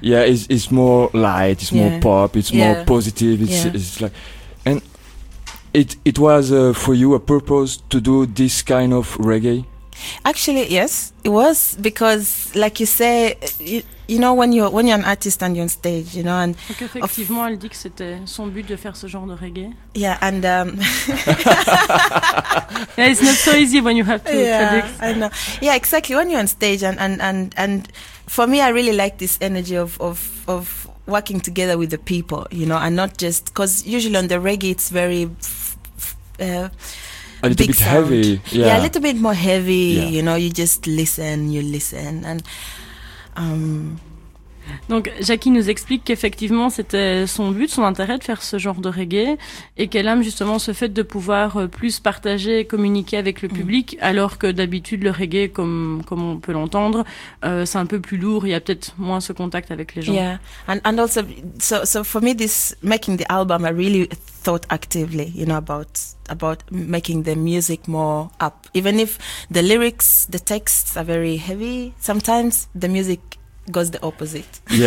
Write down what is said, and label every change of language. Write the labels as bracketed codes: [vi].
[en] Yeah, it's more light, it's more pop, it's more positive. It's like, and it was for you a purpose to do this kind of reggae. Actually, yes, it was, because, like you say, you know, when you're an artist and you're on stage, you know, and [fr] effectivement, elle dit que c'était son but de faire ce genre de reggae. [en] Yeah, and yeah, it's not so easy when you have to predict. I know. Yeah, exactly. When you're on stage, and for me, I really like this energy of working together with the people, you know, and not just, because usually on the reggae, it's very. A little big bit sound. Heavy. Yeah, a little bit more heavy. Yeah. You know, you just listen, you listen. And, [fr] Donc, Jackie nous explique qu'effectivement, c'était son but, son intérêt de faire ce genre de reggae, et qu'elle aime justement ce fait de pouvoir plus partager et communiquer avec le public, alors que d'habitude, le reggae, comme on peut l'entendre, c'est un peu plus lourd, il y a peut-être moins ce contact avec les gens. [en] Yeah, and also, so for me, this making the album, I really thought actively, you know, about making the music more up. Even if the lyrics, the texts are very heavy, sometimes the music goes the opposite.